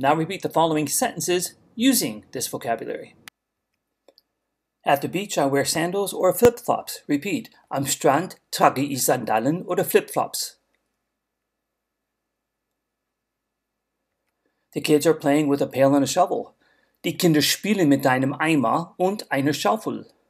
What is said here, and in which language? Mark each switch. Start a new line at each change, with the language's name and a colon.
English: Now repeat the following sentences using this vocabulary. At the beach, I wear sandals or flip-flops. Repeat.
German: Am Strand trage ich Sandalen oder flip-flops.
English: The kids are playing with a pail and a shovel.
German: Die Kinder spielen mit einem Eimer und einer Schaufel.